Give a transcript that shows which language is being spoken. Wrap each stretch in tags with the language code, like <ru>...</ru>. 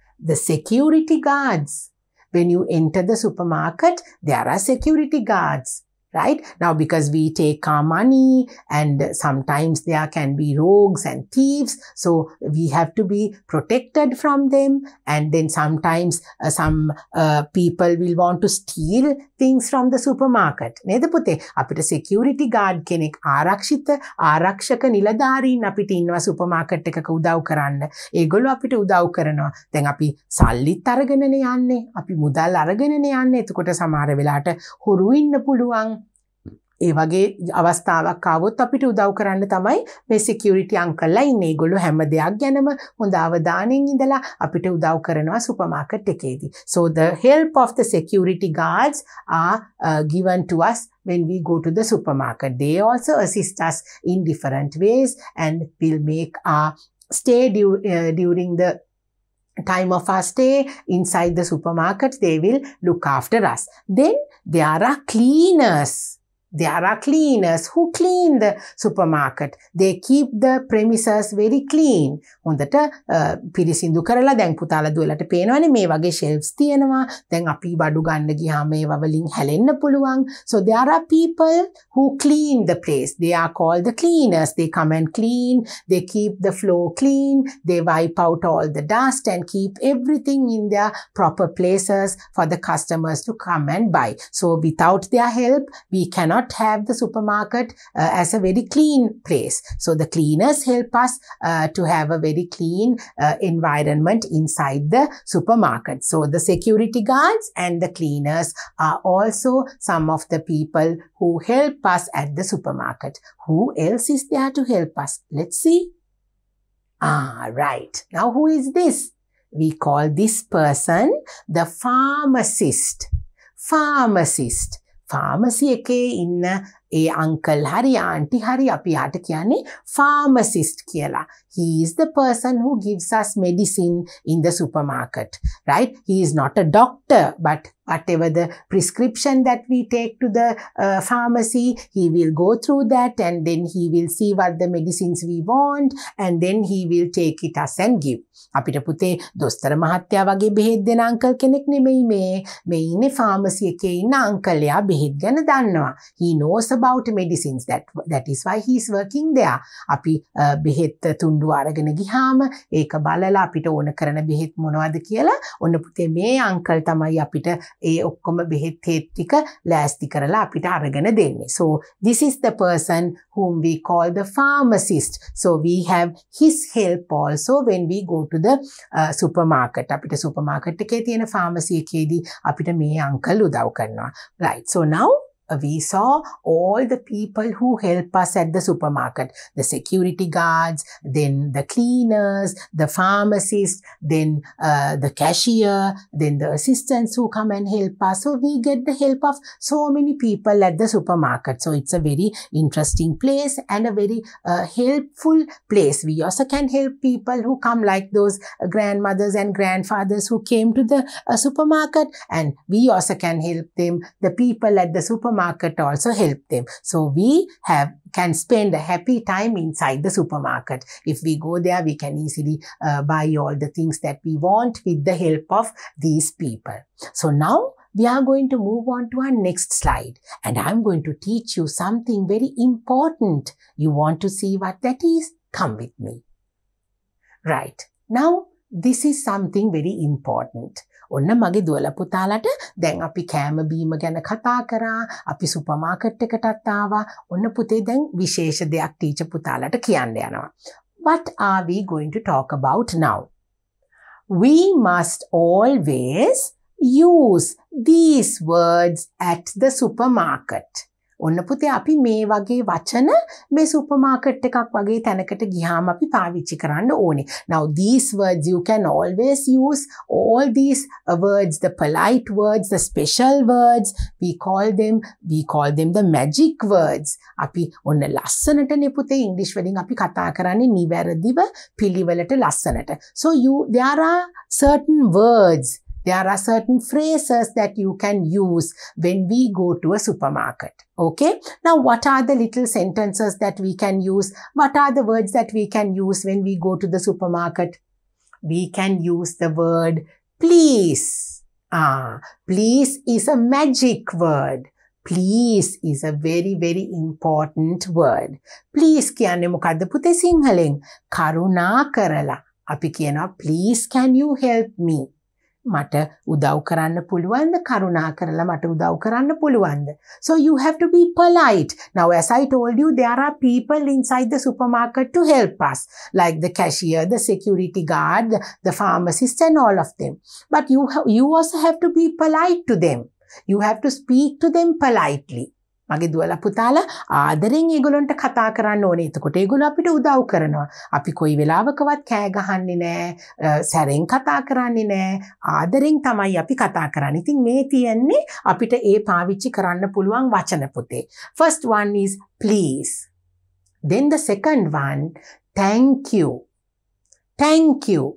<en>The security guards. When you enter the supermarket, there are security guards, right? Now, because we take our money and sometimes there can be rogues and thieves. So we have to be protected from them. And then sometimes people will want to steal things from the supermarket.</en> <si>නේද පුතේ? අපිට security guard කෙනෙක් ආරක්ෂිත ආරක්ෂක නිලධාරීන් අපිට ඉන්නවා supermarket එකක උදව් කරන්න. ඒගොල්ලෝ අපිට උදව් කරනවා. දැන් අපි සල්ලිත් අරගෙනනේ යන්නේ. අපි මුදල් අරගෙනනේ යන්නේ. එතකොට සමහර වෙලාවට හොරු ඉන්න පුළුවන්. ඒ වගේ අවස්ථාවක් ආවොත් අපිට උදව් කරන්න තමයි මේ security uncle-ලා ඉන්නේ. ඒගොල්ලෝ හැම දෙයක් ගැනම හොඳ අවධානයෙන් ඉඳලා අපිට උදව් කරනවා supermarket එකේදී.</si> <en>So the help of the security guards are given to us when we go to the supermarket. They also assist us in different ways and will make our stay during the time of our stay inside the supermarket. They will look after us. Then there are cleaners. There are cleaners who clean the supermarket. They keep the premises very clean.</en> <si>හොඳට පිරිසිදු කරලා දැන් පුතාලා දුවලට පේනවනේ මේ වගේ shelves තියෙනවා. දැන් අපි බඩු ගන්න ගියාම ඒවා වලින් හැලෙන්න පුළුවන්.</si> <en>So there are people who clean the place. They are called the cleaners. They come and clean. They keep the floor clean. They wipe out all the dust and keep everything in their proper places for the customers to come and buy. So without their help, we cannot have the supermarket as a very clean place. So the cleaners help us to have a very clean environment inside the supermarket. So the security guards and the cleaners are also some of the people who help us at the supermarket. Who else is there to help us? Let's see. Right. Now who is this? We call this person the pharmacist. Pharmacist.</en> <si>Pharmacy එකේ ඉන්න ඒ uncle හරි aunty හරි අපි යාට කියන්නේ pharmacist කියලා.</si> <en>He is the person who gives us medicine in the supermarket, right? He is not a doctor, but whatever the prescription that we take to the pharmacy, he will go through that and then he will see what the medicines we want and then he will take it us and give.</en> <si>අපිට පුතේ දොස්තර මහත්තයා වගේ බෙහෙත් දෙන uncle කෙනෙක් නෙමෙයි මේ. මේ ඉන්නේ pharmacy එකේ ඉන්න uncle යා බෙහෙත් ගැන දන්නවා.</si> <en>He knows about medicines. That is why he is working there.</en> <si>අපි බෙහෙත් තුන්ඩු අරගෙන ගිහාම ඒක බලලා අපිට ඕන කරන බෙහෙත් මොනවද කියලා ඔන්න පුතේ මේ uncle තමයි අපිට ඒ ඔක්කොම බෙහෙත් හේත් ටික ලෑස්ති කරලා අපිට අරගෙන දෙන්නේ.</si> <en>So this is the person whom we call the pharmacist. So we have his help also when we go to the supermarket.</en> <si>අපිට supermarket එකේ තියෙන pharmacy එකේදී අපිට මේ uncle උදව් කරනවා.</si> <en>Right. So now we saw all the people who help us at the supermarket. The security guards, then the cleaners, the pharmacist, then the cashier, then the assistants who come and help us. So we get the help of so many people at the supermarket. So it's a very interesting place and a very helpful place. We also can help people who come like those grandmothers and grandfathers who came to the supermarket. And we also can help them, the people at the supermarket. Market also help them. So we can spend a happy time inside the supermarket. If we go there, we can easily buy all the things that we want with the help of these people. So now we are going to move on to our next slide. And I'm going to teach you something very important. You want to see what that is? Come with me. Right. Now, this is something very important.</en> <si>ඔන්න මගේ දුවල පුතාලට දැන් අපි කෑම බීම ගැන කතා කරා අපි සුපර් මාකට් එකටත් ආවා ඔන්න පුතේ දැන් විශේෂ දෙයක් ටීචර් පුතාලට කියන්න යනවා</si> <en>What are we going to talk about now? We must always use these words at the supermarket.</en> <si>ඔන්න පුතේ අපි මේ වගේ වචන මේ සුපර් මාකට් එකක් වගේ තැනකට ගියාම අපි පාවිච්චි කරන්න ඕනේ.</si> <en>Now these words you can always use. All these words, the polite words, the special words, we call them the magic words.</en> <si>අපි ඔන්න ලස්සනටනේ පුතේ ඉංග්‍රීසි වලින් අපි කතා කරන්නේ නිවැරදිව පිළිවෙලට ලස්සනට.</si> <en>So you there are certain words. There are certain phrases that you can use when we go to a supermarket. Okay? Now, what are the little sentences that we can use? What are the words that we can use when we go to the supermarket? We can use the word please. Please is a magic word. Please is a very, very important word.</en> <si>Please කියන්නේ මොකද්ද පුතේ සිංහලෙන්? කරුණා කරලා. අපි කියනවා,</si> <en>please can you help me?</en> <si>මට උදව් කරන්න පුළුවන්ද කරුණා කරලා මට උදව් කරන්න පුළුවන්ද</si> <en>So you have to be polite. Now as I told you there are people inside the supermarket to help us like the cashier, the security guard, the pharmacist and all of them. But you also have to be polite to them. You have to speak to them politely.</en> <si>මගේ දුවල පුතාල ආදරෙන් ඒගොල්ලන්ට කතා කරන්න ඕනේ. එතකොට ඒගොල්ලෝ අපිට උදව් කරනවා. අපි කොයි වෙලාවකවත් කෑ ගහන්නේ නැහැ, සැරෙන් කතා කරන්නේ නැහැ. ආදරෙන් තමයි අපි කතා කරන්නේ. ඉතින් මේ තියෙන්නේ අපිට ඒ පාවිච්චි කරන්න පුළුවන් වචන පුතේ.</si> <en>First one is please. Then the second one, thank you. Thank you.</en>